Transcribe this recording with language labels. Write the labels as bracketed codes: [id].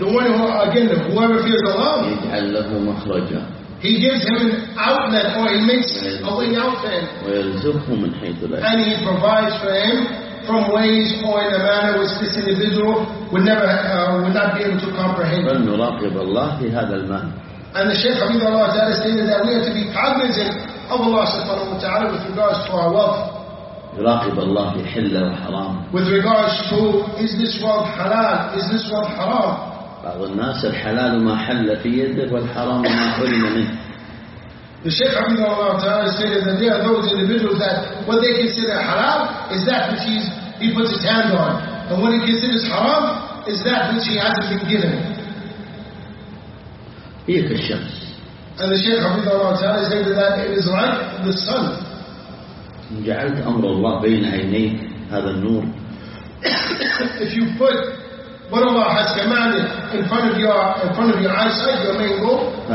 [en] the one who again whoever fears Allah [ar] يجعل له مخرجا. [en] He gives him an outlet, or he makes a way out for him. [ar] ويرزقه من حيث لا. [en] And he provides for him from ways or in a manner which this individual would never would not be able to comprehend. [ar] بل نراقب الله في هذا المال. [en] And the Shaykh Hamid Allah Ta'ala stated that we have to be cognizant of Allah subhanahu wa ta'ala with regards to our wealth. [ar] نراقب الله في حل وحرام. [en] With regards to is this wealth halal, is this wealth haram? [ar] بعض الناس الحلال ما حل في يده والحرام ما حرم منه. [en] The Shaykh Abdullah Ta'ala stated that there are those individuals that what they consider halal is that which he puts his hand on. And what he considers haram is that which he hasn't been given. And the Shaykh Abdullah Ta'ala stated that it is like the sun. [ar] جعلت أمر الله بين عينيك هذا النور. [en] If you put what Allah has commanded in front of your eyesight, your main goal.